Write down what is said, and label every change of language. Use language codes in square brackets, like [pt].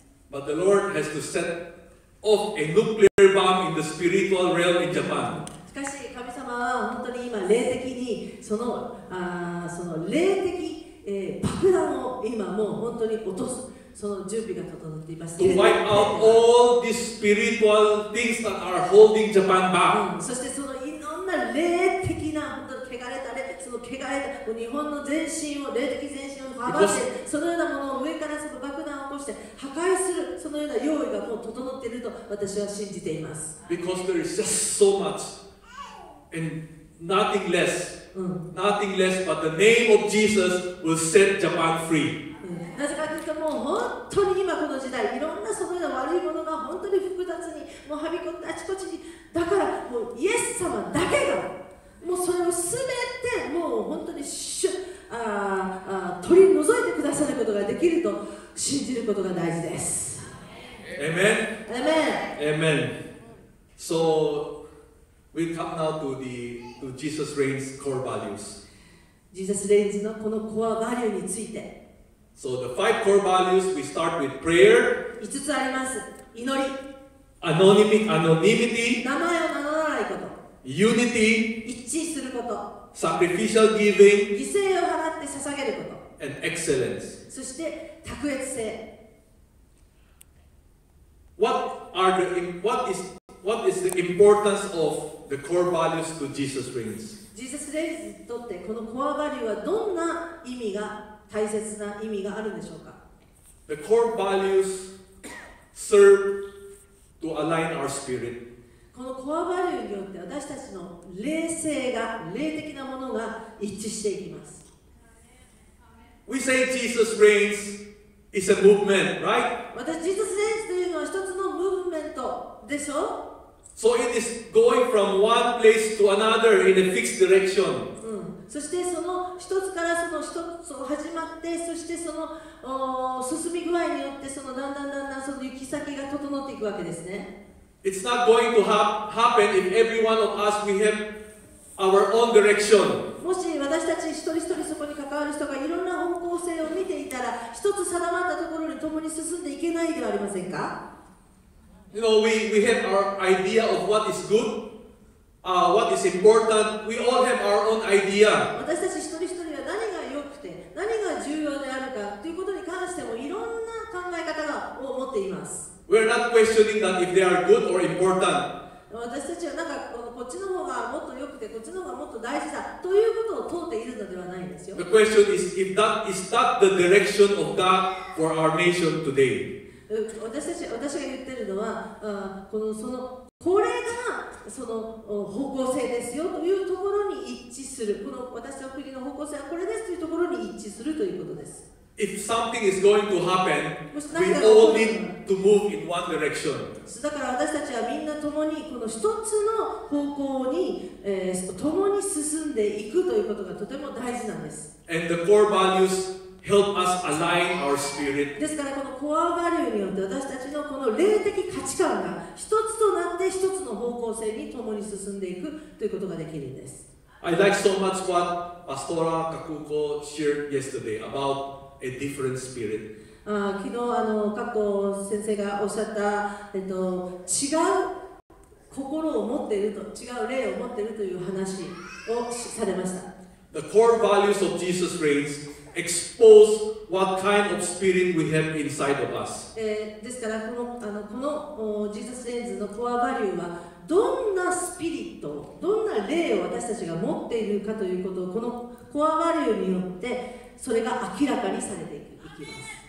[en] But the Lord has to setOf a nuclear bomb in the spiritual realm in Japan. [ja] しかし神様は本当に今霊的にその霊的、爆弾を今もう本当に落とすその準備が整っています。 [en] To wipe out all these spiritual things that are holding Japan back.、 [ja] そしてそのいろんな霊的な本当に汚れた霊その汚れた日本の全身を霊的全身を阻んで、そのようなものを上からその爆弾を起こして破壊するそのような用意がもう整っていると私は信じています。 [en] Because there is just so much and nothing less,、nothing less but the name of Jesus will set Japan free.、 [ja] なぜかというともう本当に今この時代いろんなそのような悪いものが本当に複雑にもうはびこってあちこちにだからもうイエス様だけがもうそれをすべてもう本当にシュッ取り除いてくださることができると信じることが大事です。 [en] Amen. Amen. Amen. So we come now to Jesus Reigns core values. [ja] Jesus Reigns のこのコアバリューについて。 [en] So the five core values we start with prayer. [ja] 5つあります。祈り。 [en] Anonymity. [ja] 名前を名乗らないこと。 [en] Unity. [ja] 一致すること。 [en] Sacrificial giving. [ja] 犠牲を払って捧げること。 [en] And excellence. [ja] そして卓越性。 [en] What is the importance of the core values to Jesus Reigns? [ja] Jesus Reigns にとってこのコアバリューはどんな意味が大切な意味があるんでしょうか? [en] The core values serve to align our spirit. [ja] このコアバリューによって私たちの霊性が霊的なものが一致していきます。 [en] We say Jesus Reigns. It's a movement, right? [ja] また、Jesus Reigns というのは一つのムーブメントでしょ? [en] So it is going from one place to another in a fixed direction. [ja] そして、その一つからその一つを始まって、そしてその進み具合によって、そのだんだんだんだんその行き先が整っていくわけですね。 [en] It's not going to happen if every one of us we have our own direction. [ja] もし私たち一人一人そこに関わる人がいろんな方向性を見ていたら一つ定まったところに共に進んでいけないではありませんか? [en] You know, we have our idea of what is good, what is important. We all have our own idea. [ja] 私たち一人一人は何が良くて何が重要であるかということに関してもいろんな考え方を持っています。 [en] We are not questioning that if they are good or important. [ja] 私たちはなんかこっちの方がもっと良くてこっちの方がもっと大事だということを問うているのではないんですよ。 [en] The question is, if that is that the direction of God for our nation today? [ja] 私が言ってるのは、これがその方向性ですよというところに一致する。この私の国の方向性はこれですというところに一致するということです。 [en] If something is going to happen, we all need to move in one direction. [ja] だから私たちはみんな共にこの一つの方向に、共に進んでいくということがとても大事なんです。 [en] And the core values help us align our spirit. [ja] ですからこのコアバリューによって私たちのこの霊的価値観が一つとなって一つの方向性に共に進んでいくということができるんです。 [en] I like so much what Pastora Kakuko shared yesterday about a different spirit. [ja] 昨日あの加藤先生がおっしゃった、違う心を持っていると違う霊を持っているという話をされました。 [en] The core values of Jesus reigns expose what kind of spirit we have inside of us. [ja] ですからこの、あの、このジーザスレンズのコアバリューはどんなスピリット、どんな霊を私たちが持っているかということをこのコアバリューによってそれが明らかにされていきます。